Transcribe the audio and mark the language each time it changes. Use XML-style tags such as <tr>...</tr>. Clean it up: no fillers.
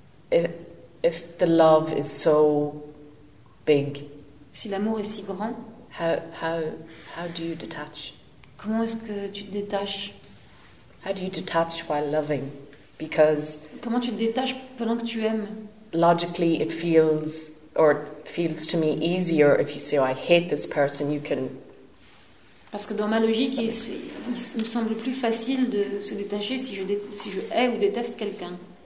<en>If the love is so big.</en> <fr>Si l'amour est si grand.</fr> <en>How do you detach?</en> <fr>Comment est-ce que tu te détaches?</fr> <en>How do you detach while loving? Because</en> <fr>comment tu te détaches pendant que tu aimes?</fr> <en>Logically it feels or it feels to me easier if you say oh, I hate this person you can.</en> <fr>Parce que dans ma logique il me semble plus facile de se détacher si je hais ou déteste quelqu'un.</fr>